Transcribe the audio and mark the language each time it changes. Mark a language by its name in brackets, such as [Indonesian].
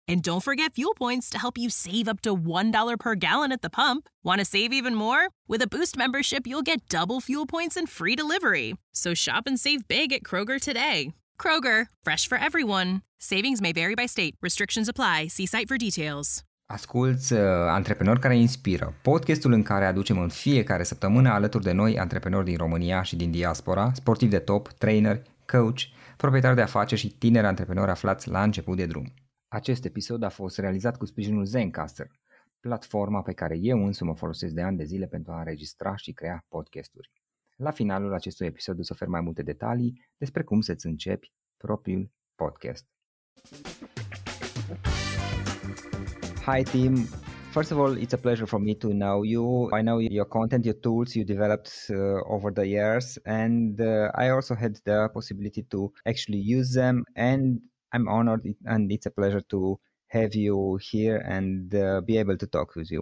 [English] And don't forget fuel points to help you save up to $1 per gallon at the pump. Want to save even more? With a Boost membership, you'll get double fuel points and free delivery. So shop and save big at Kroger today. Kroger, fresh for everyone. Savings may vary by state. Restrictions apply. See site for details. [Romanian] Asculți Antreprenori care inspiră, podcastul în care aducem în fiecare săptămână alături de noi antreprenori din România și din diaspora, sportivi de top, traineri, coach, proprietari de afaceri și tineri antreprenori aflați la început de drum. Acest episod a fost realizat cu sprijinul Zencaster, platforma pe care eu însumi mă folosesc de ani de zile pentru a înregistra și crea podcasturi. La finalul acestui episod îți ofer mai multe detalii despre cum să-ți începi propriul podcast. [English] Hi team. First of all, it's a pleasure for me to know you. I know your content, your tools you developed over the years, and I also had the possibility to actually use them, and I'm honored and it's a pleasure to have you here and be able to talk with you.